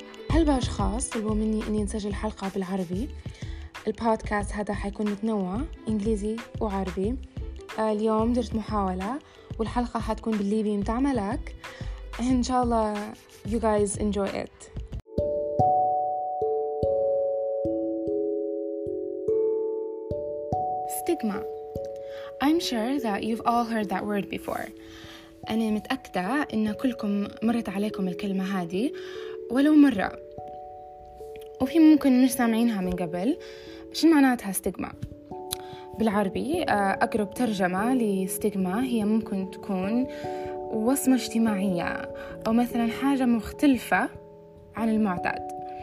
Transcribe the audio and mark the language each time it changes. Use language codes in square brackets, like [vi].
[ar] هل باشخاص طلبوا مني اني نسجل حلقه بالعربي؟ البودكاست هذا حيكون متنوع انجليزي وعربي. اليوم درت محاوله والحلقه حتكون بالليبي متاع ملاك. [en] ان شاء الله you guys enjoy it. Stigma. I'm sure that you've all heard that word before. [ar] أنا متأكدة إن كلكم مرت عليكم الكلمة هذه ولو مرة. وفي ممكن مش سامعينها من قبل. شو معناتها ستيغما؟ بالعربي أقرب ترجمة لستيغما هي ممكن تكون وصمة اجتماعية أو مثلا حاجة مختلفة عن المعتاد.